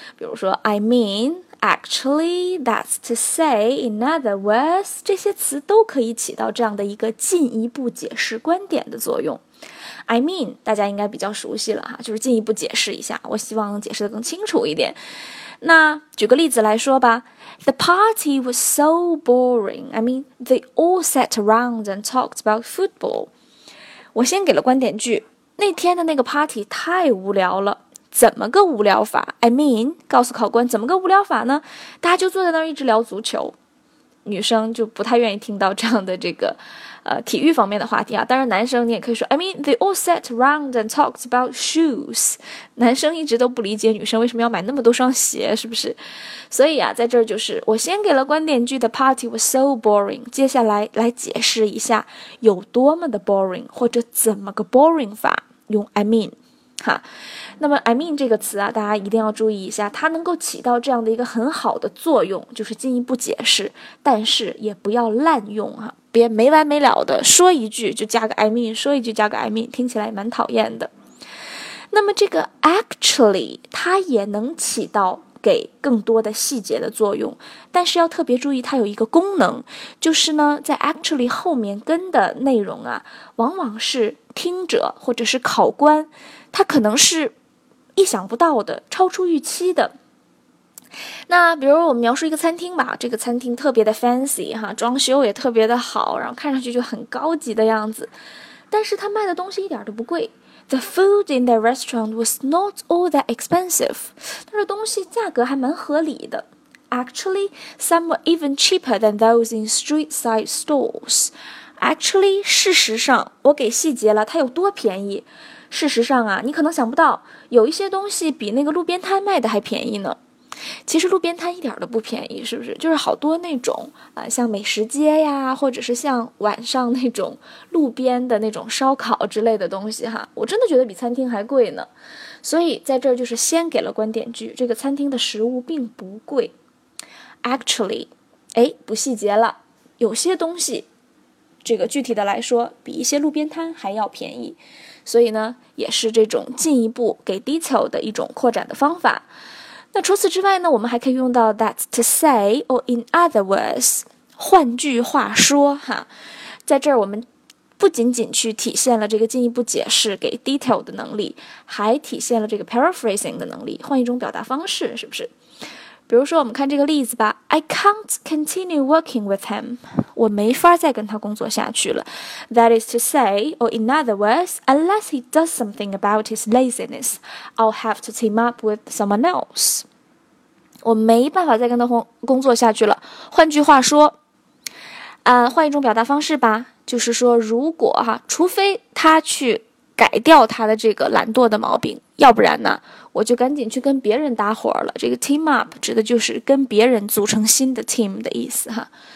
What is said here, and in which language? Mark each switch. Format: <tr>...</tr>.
<zh>比如说</zh> <en>I mean, actually, that's to say, in other words,</en> <zh>这些词都可以起到这样的一个进一步解释观点的作用。 I mean, 大家应该比较熟悉了哈，就是进一步解释一下，我希望解释得更清楚一点。那举个例子来说吧，</zh> <en>The party was so boring, I mean, they all sat around and talked about football.</en> <zh>我先给了观点句，那天的那个 party 太无聊了，怎么个无聊法？ I mean, 告诉考官怎么个无聊法呢？大家就坐在那儿一直聊足球。女生就不太愿意听到这样的这个体育方面的话题啊。当然男生你也可以说</zh> <en>I mean, they all sat around and talked about shoes.</en> <zh>男生一直都不理解女生为什么要买那么多双鞋，是不是？所以啊，在这儿就是我先给了观点句的</zh> <en>party was so boring,</en> <zh>接下来来解释一下有多么的 boring, 或者怎么个 boring 法，用 I mean。哈，那么 I mean 这个词啊，大家一定要注意一下，它能够起到这样的一个很好的作用，就是进一步解释，但是也不要滥用哈，别没完没了的说一句就加个 I mean, 说一句加个 I mean, 听起来蛮讨厌的。那么这个 actually 它也能起到给更多的细节的作用，但是要特别注意它有一个功能，就是呢在 actually 后面跟的内容啊，往往是听者或者是考官他可能是意想不到的，超出预期的。那比如我们描述一个餐厅吧，这个餐厅特别的 fancy 哈，装修也特别的好，然后看上去就很高级的样子，但是他卖的东西一点都不贵。</zh> <en>The food in the restaurant was not all that expensive.</en> <zh>但是东西价格还蛮合理的。</zh> <en>Actually, some were even cheaper than those in street side stores.</en> <zh>Actually, 事实上我给细节了它有多便宜。事实上啊，你可能想不到有一些东西比那个路边摊卖的还便宜呢。其实路边摊一点都不便宜，是不是？就是好多那种像美食街呀，或者是像晚上那种路边的那种烧烤之类的东西哈，我真的觉得比餐厅还贵呢。所以在这儿就是先给了观点句，这个餐厅的食物并不贵。 Actually, 哎，不细节了，有些东西这个具体的来说比一些路边摊还要便宜，所以呢也是这种进一步给 detail 的一种扩展的方法。那除此之外呢，我们还可以用到</zh> <en>that's to say or in other words,</en> <zh>换句话说哈，在这儿我们不仅仅去体现了这个进一步解释给 detail 的能力，还体现了这个 paraphrasing 的能力，换一种表达方式，是不是？比如说我们看这个例子吧，</zh> <en>I can't continue working with him.</en> <zh>我没法再跟他工作下去了。</zh> <en>That is to say, or in other words, unless he does something about his laziness, I'll have to team up with someone else.</en> <zh>我没办法再跟他工作下去了。换句话说，换一种表达方式吧，就是说如果哈，除非他去改掉他的这个懒惰的毛病，要不然呢我就赶紧去跟别人搭伙了。这个 team up 指的就是跟别人组成新的 team 的意思哈。</zh>